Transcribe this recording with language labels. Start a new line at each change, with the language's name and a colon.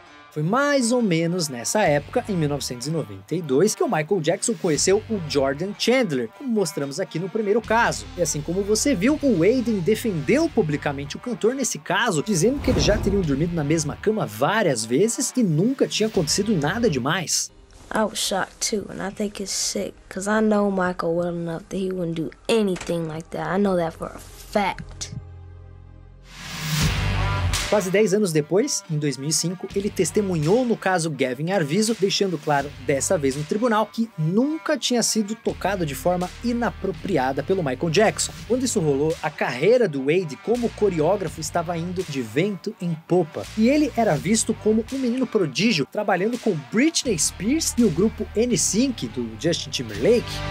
Portuguese: Foi mais ou menos nessa época, em 1992, que o Michael Jackson conheceu o Jordan Chandler, como mostramos aqui no primeiro caso. E assim como você viu, o Weyden defendeu publicamente o cantor nesse caso, dizendo que eles já teriam dormido na mesma cama várias vezes e nunca tinha acontecido nada demais.
English: I was shocked too, and I think it's sick, cause I know Michael well enough that he wouldn't do anything like that. I know that for a fact.
Portuguese: Quase 10 anos depois, em 2005, ele testemunhou no caso Gavin Arvizo, deixando claro, dessa vez no tribunal, que nunca tinha sido tocado de forma inapropriada pelo Michael Jackson. Quando isso rolou, a carreira do Wade como coreógrafo estava indo de vento em popa, e ele era visto como um menino prodígio, trabalhando com Britney Spears e o grupo NSYNC, do Justin Timberlake.